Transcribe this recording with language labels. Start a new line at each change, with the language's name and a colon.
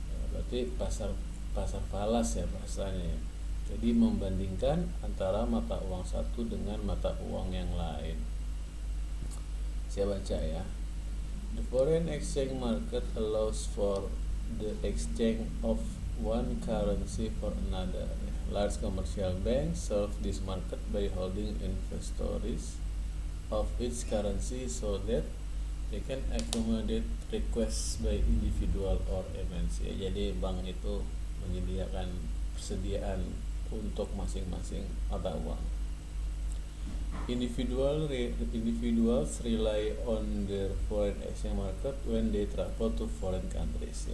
Indonesian: Berarti pasar falas ya bahasanya. Jadi membandingkan antara mata uang satu dengan mata uang yang lain. Saya baca ya.
English: The foreign exchange market allows for the exchange of one currency for another. Large commercial banks serve this market by holding inventories of each currency so that they can accommodate requests by individual or MNC.
Indonesian: Jadi bank itu menyediakan persediaan untuk masing-masing mata uang.
English: Individuals rely on their foreign exchange market when they travel to foreign countries.